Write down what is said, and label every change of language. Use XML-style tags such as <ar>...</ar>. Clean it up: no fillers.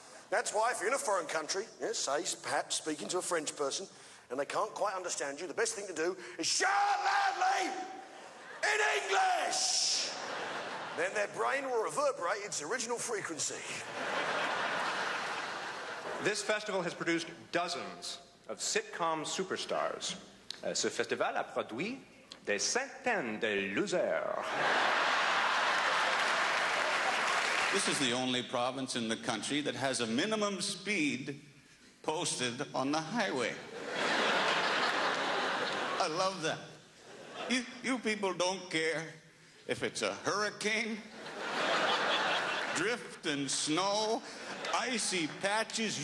<en>That's why if you're in a foreign country, say, perhaps speaking to a French person, and they can't quite understand you, the best thing to do is shout loudly in English! Then their brain will reverberate its original frequency. This festival has produced dozens of sitcom superstars.</en> <fr>Ce festival a produit des centaines de losers.</fr> <en>This is the only province in the country that has a minimum speed posted on the highway. I love that. You people don't care if it's a hurricane, drift and snow, icy patches.</en>